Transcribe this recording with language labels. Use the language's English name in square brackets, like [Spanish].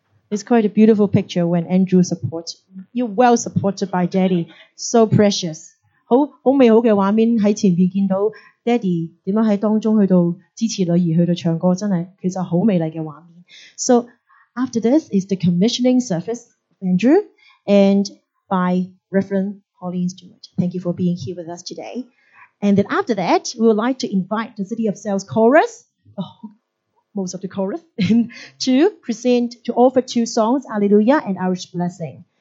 [English] It's quite a beautiful picture when Andrew supports you. Well supported by Daddy. So precious. [Chinese] 好美好的畫面在前面看到 Daddy怎樣在當中去到支持女兒去到唱歌, 真的其實很美麗的畫面. [English] So after this is the commissioning service, Andrew, and by Reverend Pauline Stewart. Thank you for being here with us today. And then after that, we would like to invite the City of Sales Chorus, most of the chorus, to present, to offer two songs, Alleluia and Irish Blessing.